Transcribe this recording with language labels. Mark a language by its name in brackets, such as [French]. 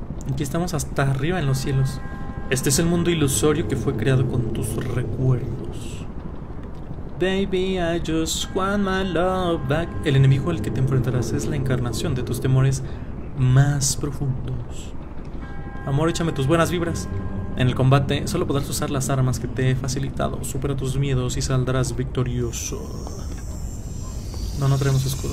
[Spanish] Aquí estamos hasta arriba en los cielos. Este es el mundo ilusorio que fue creado con tus recuerdos. [English] Baby, I just want my love back. [Spanish] El enemigo al que te enfrentarás es la encarnación de tus temores más profundos. Amor, échame tus buenas vibras. En el combate, solo podrás usar las armas que te he facilitado. Supera tus miedos y saldrás victorioso. No, no traemos escudo.